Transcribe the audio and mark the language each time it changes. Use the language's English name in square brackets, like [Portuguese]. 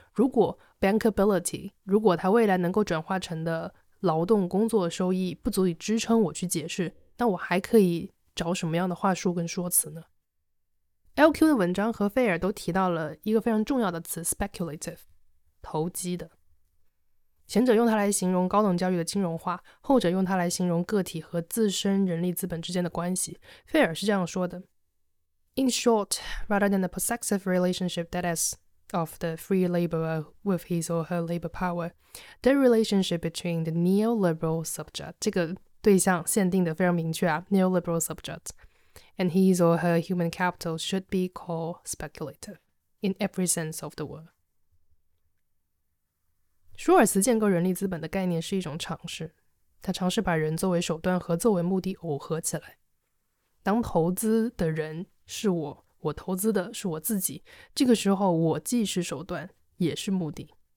[Chinese] 如果 bankability， 如果它未来能够转化成的劳动工作收益不足以支撑我去解释，那我还可以找什么样的话术跟说辞呢？ LQ 的文章和费尔都提到了一个非常重要的词 speculative， 投机的。前者用它来形容高等教育的金融化，后者用它来形容个体和自身人力资本之间的关系。费尔是这样说的， [English] In short, rather than the possessive relationship that is of the free laborer with his or her labor power, the relationship between the neoliberal subject, [Chinese] 这个对象限定的非常明确啊， [English] neoliberal subject, and his or her human capital should be called speculative in every sense of the word. [Chinese] 舒尔茨建构人力资本的概念是一种尝试，他尝试把人作为手段和作为目的耦合起来。当投资的人是我，我投资的是我自己，这个时候我既是手段也是目的。